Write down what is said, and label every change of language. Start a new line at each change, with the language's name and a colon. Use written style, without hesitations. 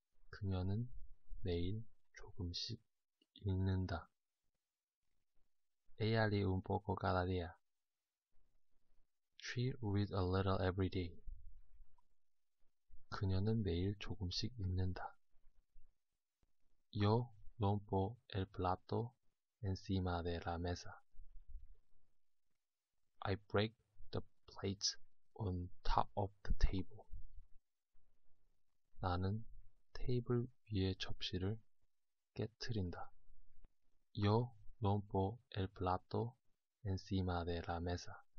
Korean: 그녀는 매일 조금씩 읽는다.
Spanish: Ella lee un poco cada día.
English: She reads a little every day.
Korean: 그녀는 매일 조금씩 읽는다.
Spanish: Yo rompo el plato encima de la mesa.
English: I break the plates on top of the table.
Korean: 나는 테이블 위의 접시를 깨뜨린다.
Spanish: Yo rompo el plato encima de la mesa.